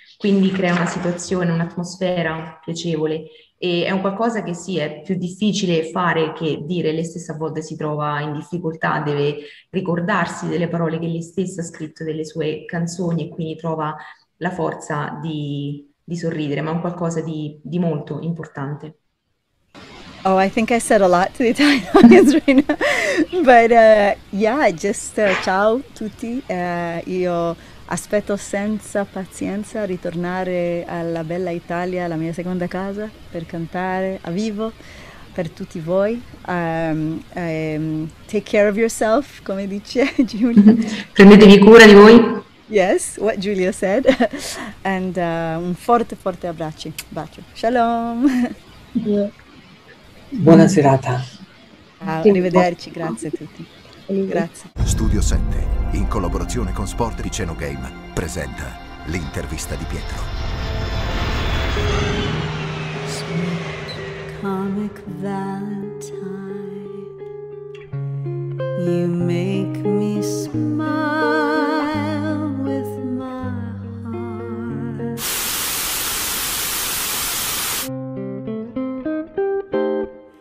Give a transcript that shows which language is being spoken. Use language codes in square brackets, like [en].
[it] Quindi crea una situazione, un'atmosfera piacevole e è un qualcosa che sì, è più difficile fare che dire. Lei stessa a volte si trova in difficoltà, deve ricordarsi delle parole che lei stessa ha scritto, delle sue canzoni e quindi trova la forza di sorridere, ma è un qualcosa di molto importante. [en] Oh, I think I said a lot to the Italians right now, but yeah, just [it] ciao tutti, io... aspetto senza pazienza ritornare alla bella Italia, la mia seconda casa, per cantare a vivo per tutti voi. [en] Take care of yourself, [it] come dice Giulia. Prendetevi cura di voi. [en] Yes, what Giulia said. And [it] un forte, forte abbraccio. Bacio. [en] Shalom. [it] Buona serata. Arrivederci, grazie a tutti. Grazie. Studio 7, in collaborazione con Sport Piceno Game, presenta l'intervista di Pietro. [en] Comic Valentine, you make me smile with my heart.